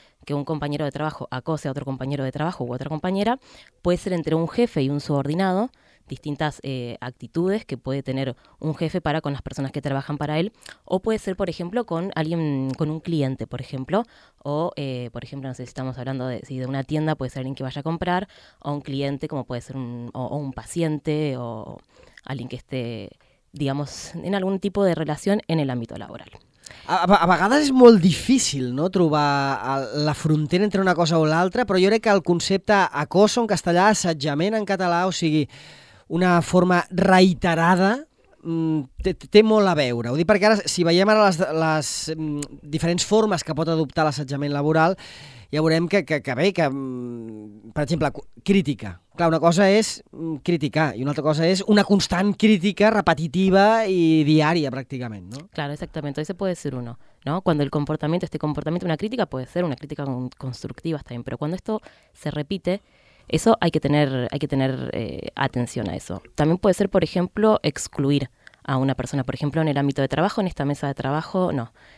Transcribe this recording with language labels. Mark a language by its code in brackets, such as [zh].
[es] que un compañero de trabajo acose a otro compañero de trabajo u otra compañera, puede ser entre un jefe y un subordinado, distintas actitudes que puede tener un jefe para con las personas que trabajan para él, o puede ser, por ejemplo, con alguien, con un cliente, por ejemplo, o, por ejemplo, no sé si estamos hablando de una tienda, puede ser alguien que vaya a comprar, o un cliente, como puede ser un paciente, o alguien que esté, digamos, en algún tipo de relación en el ámbito laboral. [ca] A vegades és molt difícil, no?, trobar la frontera entre una cosa o l'altra, però jo crec que el concepte acoso en castellà, assetjament en català, o sigui, una forma reiterada, té molt a veure. Ho dic perquè ara, si veiem ara les diferents formes que pot adoptar l'assetjament laboral, ja veurem que, per exemple, crítica. Clar, una cosa és criticar i una altra cosa és una constant crítica repetitiva i diària, pràcticament, no? [es] Claro, exactamente. Ese puede ser uno, ¿no? Cuando el comportamiento, este comportamiento, una crítica puede ser una crítica constructiva también, pero cuando esto se repite, eso hay que tener atención a eso. También puede ser, por ejemplo, excluir a una persona. Por ejemplo, en el ámbito de trabajo, en esta mesa de trabajo, no.